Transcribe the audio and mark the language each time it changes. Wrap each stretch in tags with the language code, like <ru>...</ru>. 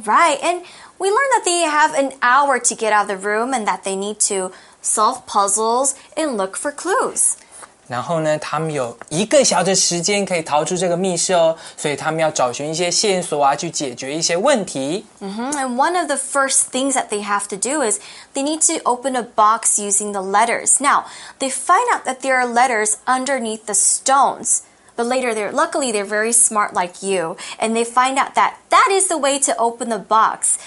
<en>Right, and we learned that they have an hour to get out of the room and that they need to solve puzzles and look for clues.</en> <zh>然后呢，他们有一个小时的时间可以逃出这个密室哦，所以他们要找寻一些线索啊，去解决一些问题。</zh> <en>And one of the first things that they have to do is they need to open a box using the letters. Now, they find out that there are letters underneath the stones. But later, luckily they're very smart like you, and they find out that that is the way to open the box.</en>